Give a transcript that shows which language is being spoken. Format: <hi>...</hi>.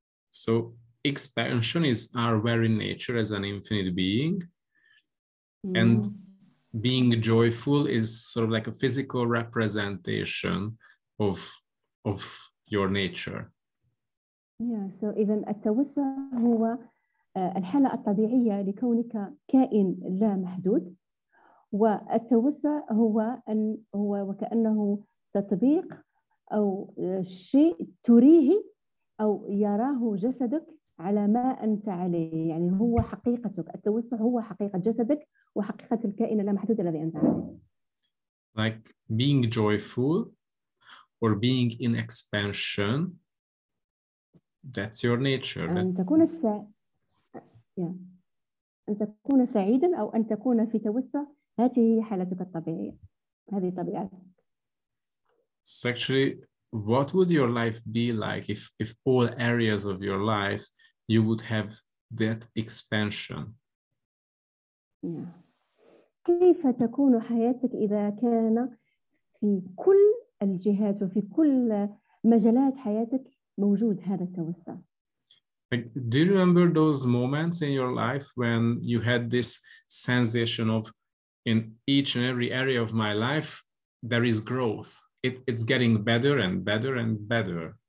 <en>So expansion is our very nature as an infinite being. And being joyful is sort of like a physical representation of of your nature. Yeah, so</en> <ar>إذا التوسع هو الحالة الطبيعية لكونك كائن لا محدود، والتوسع هو أن هو وكأنه تطبيق أو شيء تريه أو يراه جسدك على ما أنت عليه، يعني هو حقيقتك. التوسع هو حقيقة جسدك وحقيقة الكائن اللامحدود الذي أنت عليه.</ar> <en>Like being joyful or being in expansion, that's your nature.</en> <ar>أن تكون أن تكون سعيدا أو أن تكون في توسع، هذه هي حالتك الطبيعية، هذه طبيعتك.</ar> <en>So actually, what would your life be like if all areas of your life you would have that expansion?</en> <ar>كيف تكون حياتك إذا كان في كل الجهات وفي كل مجالات حياتك موجود هذا التوسع؟</ar> <en>Like, do you remember those moments in your life when you had this sensation of in each and every area of my life there is growth? It's getting better and better and better.</en>